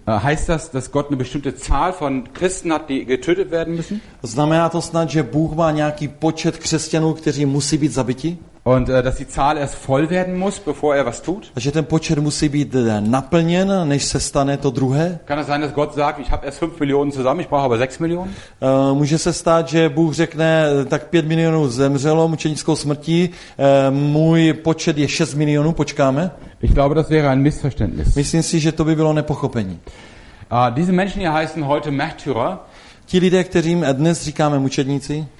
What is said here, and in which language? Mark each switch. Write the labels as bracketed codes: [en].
[de] Heißt das, dass Gott eine bestimmte Zahl von Christen hat, die getötet werden müssen? [cs] Znamená to snad, že Bůh má nějaký počet křesťanů, kteří musí být zabiti? [de] Und dass die Zahl erst voll werden muss, bevor er was tut? [cs] A že ten počet musí být naplněn, než se stane to druhé? [de] Kann es sein, dass Gott sagt, ich habe erst 5 Millionen zusammen, ich brauche aber 6 Millionen? [cs] Může se stát, že Bůh řekne, tak 5 milionů zemřelo mučenickou smrtí, můj počet je 6 milionů, počkáme? [de] Ich glaube, das wäre ein Missverständnis. [cs] Myslím si, že to by bylo nepochopení. [de] Diese Menschen hier heißen heute Märtyrer. [cs] Ti lidé, kterým dnes říkáme mučedníci.